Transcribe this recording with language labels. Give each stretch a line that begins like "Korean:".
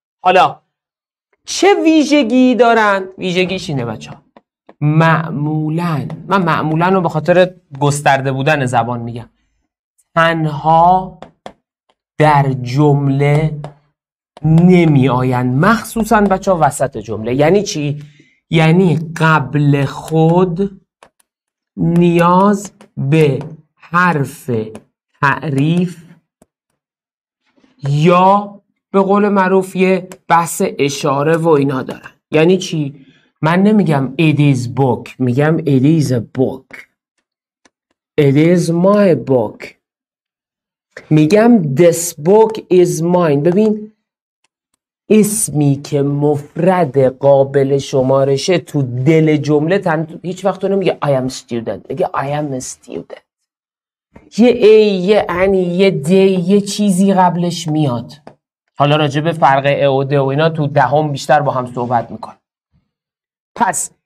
Persian: حالا چه ویژگی دارن؟ ویژگیش اینه بچه ها، معمولاً، من معمولاً رو به خاطر گسترده بودن زبان میگم، تنها در جمله نمی آیند، مخصوصا بچه ها وسط جمله. یعنی چی؟ یعنی قبل خود نیاز به حرف تعریف یا به قول معروف یه بحث اشاره و اینا دارن. یعنی چی؟ من نمیگم
English: it is book،
Persian: میگم
English: it is a book، it is my book،
Persian: میگم
English: this book is mine.
Persian: ببین، اسمی که مفرد قابل شمارشه تو دل جمله تن، هیچ وقت تو نمیگه
English: I am student،
Persian: میگه
English: I am a student.
Persian: یه ای، یه انی، یه دی، یه چیزی قبلش میاد. حالا راجب فرق ا و د و اینا تو دهم بیشتر با هم صحبت میکن. پس